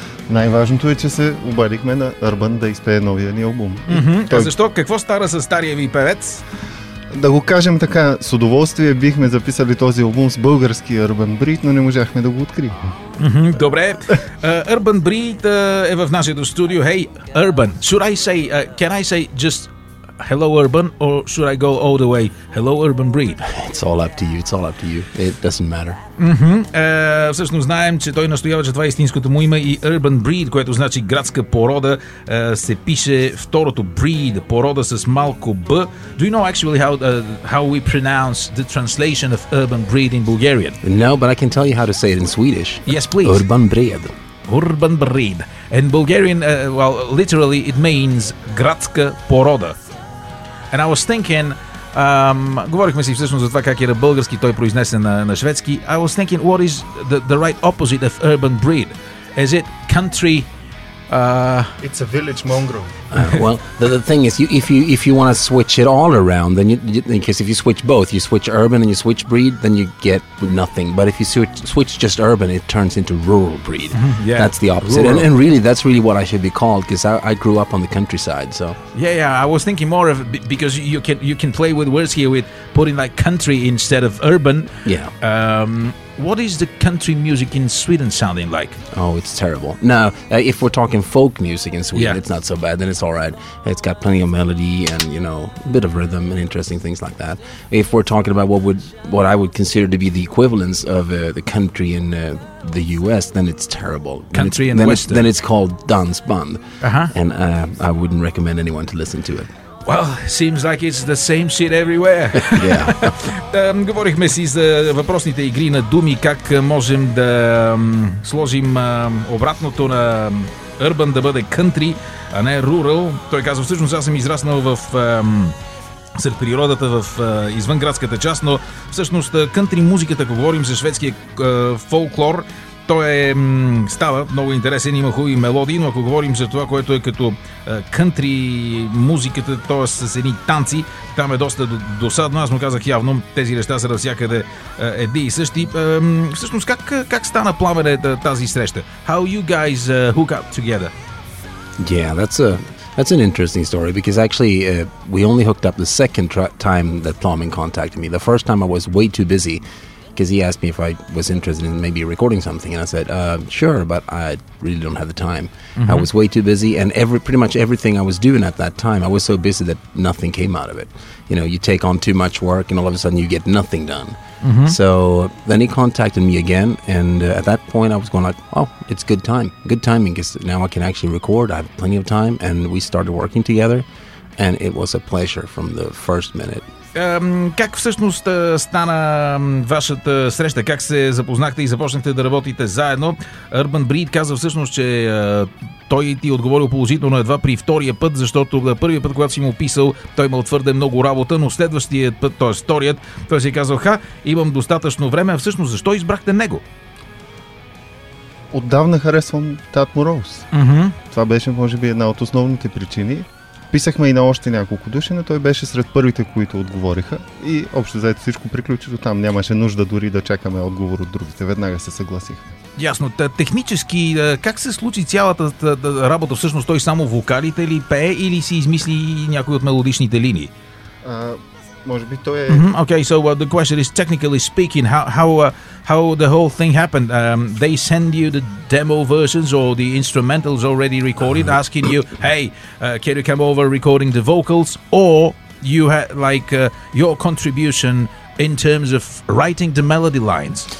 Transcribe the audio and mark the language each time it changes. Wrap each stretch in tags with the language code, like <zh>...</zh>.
<bg>Най-важното е, че се обадихме на Urban да изпее новия ни албум. Той... А защо? Какво стара с стария ви певец? Да го кажем така, с удоволствие бихме записали този албум с български Urban Breed, но не можахме да го открием. Добре. Urban Breed е в нашето студио.</bg> <en>Hey, Urban, should I say, can I say just hello Urban or should I go all the way? Hello Urban Breed. It's all up to you, it's all up to you. It doesn't matter.</en> <bg>Всъщност знаем, че той настоява, че това е истинското му име и Urban Breed, което значи градска порода, се пише второто breed, порода с малко б.</bg> <en>Do you know actually how we pronounce the translation of Urban Breed in Bulgarian? No, but I can tell you how to say it in Swedish. Yes, please. Urban Breed. Urban Breed. In Bulgarian, well, literally it means</en> <bg>градска порода.</bg> <en>And I was thinking,</en> <bg>говорихме си всъщност за това как е на български, той произнесе на шведски.</bg> <en>I was thinking, what is the right opposite of urban breed? Is it country? It's a village mongrel. Well, the thing is, if you want to switch it all around, then because if you switch both, you switch urban and you switch breed, then you get nothing. But if you switch just urban, it turns into rural breed. Yeah. That's the opposite. And really, that's really what I should be called, because I grew up on the countryside. So yeah, I was thinking more of, because you can play with words here with putting like country instead of urban. Yeah. What is the country music in Sweden sounding like? Oh, it's terrible. No, if we're talking folk music in Sweden, it's not so bad. Then it's all right. It's got plenty of melody and, you know, a bit of rhythm and interesting things like that. If we're talking about what I would consider to be the equivalence of the country in the U.S., then it's terrible. Country then and then Western. Then it's called dansband. Uh-huh. And I wouldn't recommend anyone to listen to it. Well, seems like it's the same shit everywhere. Yeah.</en> <bg>Говорихме си за въпросните игри на думи, как можем да сложим обратното на urban да бъде country, а не rural. Той казва, всъщност аз съм израснал в сред природата, в извънградската част, но всъщност country музиката, ако говорим за шведския фолклор, той е, става много интересен, има хубави мелодии, но ако говорим за това, което е като кънтри музиката, т.е. с едни танци, там е доста досадно. Аз му казах явно, тези неща са навсякъде едни и същи. Всъщност, как стана Пламене тази среща?</bg> <en>How you guys hook up together? Yeah, that's an interesting story, because actually we only hooked up the second time that Pламен contacted me. The first time I was way too busy, because he asked me if I was interested in maybe recording something, and I said, sure, but I really don't have the time. Mm-hmm. I was way too busy, and pretty much everything I was doing at that time, I was so busy that nothing came out of it. You know, you take on too much work, and all of a sudden you get nothing done. Mm-hmm. So then he contacted me again, and at that point I was going like, oh, it's good time. Good timing, because now I can actually record, I have plenty of time, and we started working together, and it was a pleasure from the first minute.</en> <bg>Как всъщност стана вашата среща? Как се запознахте и започнахте да работите заедно? Urban Breed каза всъщност, че той ти отговорил положително едва при втория път, защото първият път, когато си му писал, той имал твърде много работа, но следващият път, т.е. вторият, той си казал, ха, имам достатъчно време. А всъщност, защо избрахте него? Отдавна харесвам Tat Moroz. Mm-hmm. Това беше, може би, една от основните причини. Писахме и на още няколко души, но той беше сред първите, които отговориха, и общо заето всичко приключи до там. Нямаше нужда дори да чакаме отговор от другите. Веднага се съгласихме. Ясно. Технически как се случи цялата работа? Всъщност той само вокалите ли пее, или си измисли някои от мелодичните линии? Може би той е...</bg> <en>Okay, so the question is, technically speaking, how the whole thing happened? They send you the demo versions or the instrumentals already recorded, asking you, hey, can you come over recording the vocals? Or you had like your contribution in terms of writing the melody lines?</en>